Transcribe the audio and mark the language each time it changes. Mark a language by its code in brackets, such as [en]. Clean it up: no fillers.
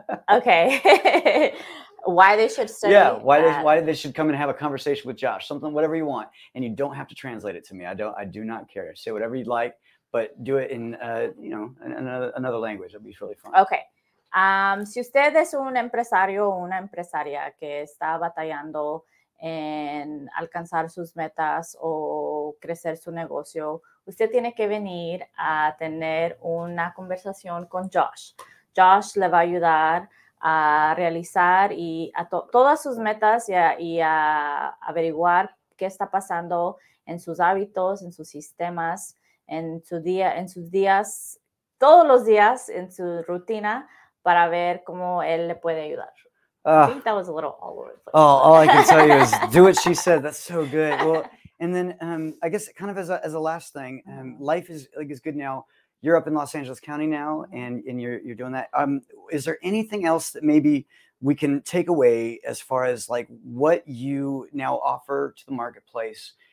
[en] Okay. Why they should study? Yeah, why they should come and have a conversation with Josh, something, whatever you want, and you don't have to translate it to me. I do not care. Say whatever you'd like, but do it in another language. It'll be really fun. Okay. [es] Si usted es un empresario o una empresaria que está batallando en alcanzar sus metas o crecer su negocio, usted tiene que venir a tener una conversación con Josh. Josh le va a ayudar a realizar y a todas sus metas y a averiguar qué está pasando en sus hábitos, en sus sistemas, en sus días, todos los días, en su rutina, para ver cómo él le puede ayudar. [en] I think that was a little all over the place. Oh, all I can tell you is do what she said. That's so good. Well, and then I guess kind of as a last thing, life is good now. You're up in Los Angeles County now, and you're doing that. Is there anything else that maybe we can take away as far as like what you now offer to the marketplace?